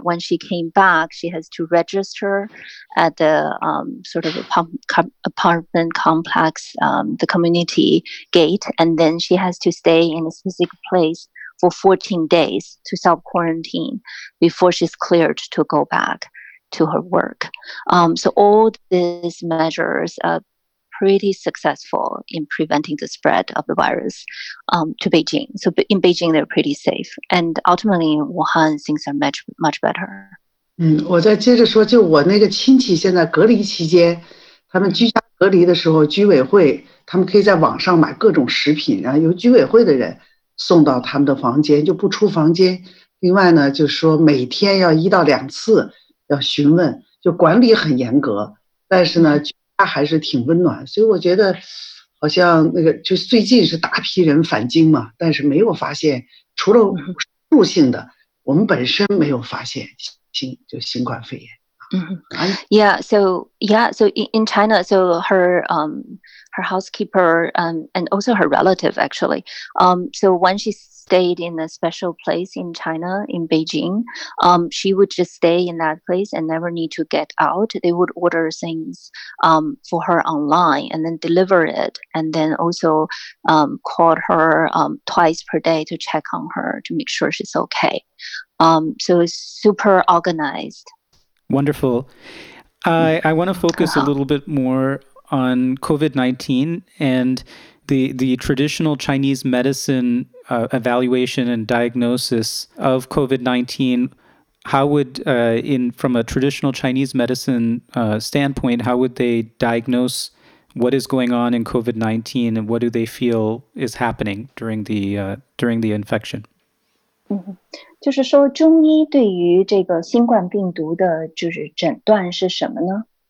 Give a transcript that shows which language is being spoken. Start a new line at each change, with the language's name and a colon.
English: When she came back, she has to register at the sort of apartment complex, the community gate, and then she has to stay in a specific place for 14 days to self-quarantine before she's cleared to go back to her work. So all these measures are pretty successful in preventing the spread of the virus to Beijing. So in Beijing, they're pretty safe. And ultimately, in Wuhan, things are much, much better.
Chinese: 我再接着说，就我那个亲戚现在隔离期间，他们居家隔离的时候，居委会，他们可以在网上买各种食品，然后由居委会的人送到他们的房间，就不出房间。另外呢，就是说每天要1到2次要询问，就管理很严格，但是呢他还是挺温暖，所以我觉得好像那个就最近是大批人返京嘛，但是没有发现，除了入境的，我们本身没有发现新冠肺炎。 Mm-hmm.
English: Yeah, so in China, so her housekeeper and also her relative actually, so when she stayed in a special place in China, in Beijing, she would just stay in that place and never need to get out. They would order things for her online and then deliver it, and then also called her twice per day to check on her to make sure she's okay. So it's super organized. Wonderful. I want to focus a little bit more on COVID-19 and the traditional Chinese medicine evaluation and diagnosis of COVID-19. How would, from a traditional Chinese medicine standpoint, how would they diagnose what is going on in COVID-19 and what do they feel is happening during the infection? Mm-hmm.
Chinese: 就是说中医对于这个新冠病毒的就是诊断是什么呢？